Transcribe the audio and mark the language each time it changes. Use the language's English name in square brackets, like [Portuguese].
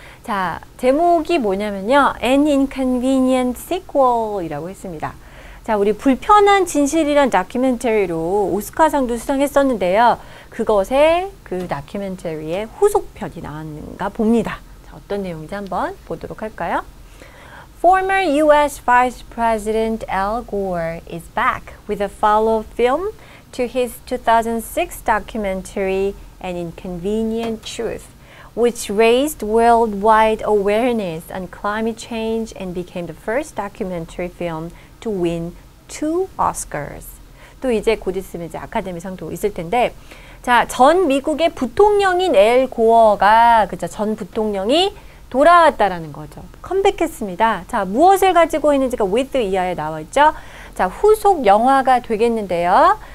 [Korean] 자, 제목이 뭐냐면요, An Inconvenient Sequel 이라고 했습니다. 자, 우리 불편한 진실이란 다큐멘터리로 오스카상도 수상했었는데요. 그것의 그 다큐멘터리의 후속편이 나왔는가 봅니다. 자, 어떤 내용인지 한번 보도록 할까요? [English] Former U.S. Vice President Al Gore is back with a follow-up film to his 2006 documentary An Inconvenient Truth, which raised worldwide awareness on climate change and became the first documentary film to win two Oscars. [Korean] 또 이제 곧 있으면 이제 아카데미상도 있을 텐데 자, 전 미국의 부통령인 엘 고어가 그죠? 전 부통령이 돌아왔다라는 거죠. 컴백했습니다. 자, 무엇을 가지고 있는지가 with 이하에 나와 있죠. 자, 후속 영화가 되겠는데요.